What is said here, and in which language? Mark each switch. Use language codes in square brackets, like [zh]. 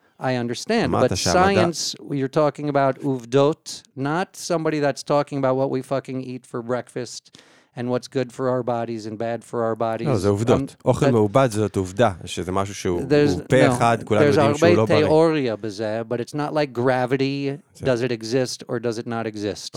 [en] I understand, but science, you're talking about uvdot, not somebody that's talking about what we fucking eat for breakfast. And what's good for our bodies and bad for our bodies. [he] No, זה עובדות. אוכל מעובד זאת עובדה, שזה משהו שהוא פה אחד, כולם יודעים שהוא לא בריא. [en] There's [he] הרבה תיאוריה בזה, [en] but it's not like gravity, does it exist or does it not exist.